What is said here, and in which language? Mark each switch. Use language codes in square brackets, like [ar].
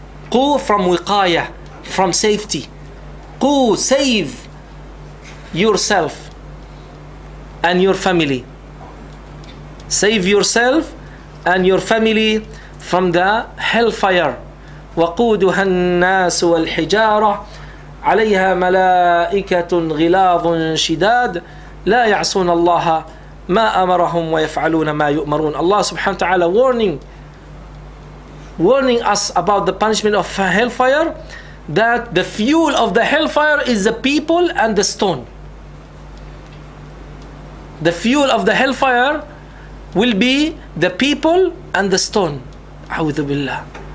[en] Qu from wiqaya, from safety. Qu save yourself and your family. Save yourself and your family from the hellfire. [ar] وقودها الناس والحجارة عليها ملائكة غلاظ شداد لا يعصون الله ما أمرهم ويفعلون ما يؤمرون. [en] Allah subhanahu wa ta'ala warning us about the punishment of hellfire, that the fuel of the hellfire is the people and the stone. The fuel of the hellfire will be the people and the stone. A'udhu billah.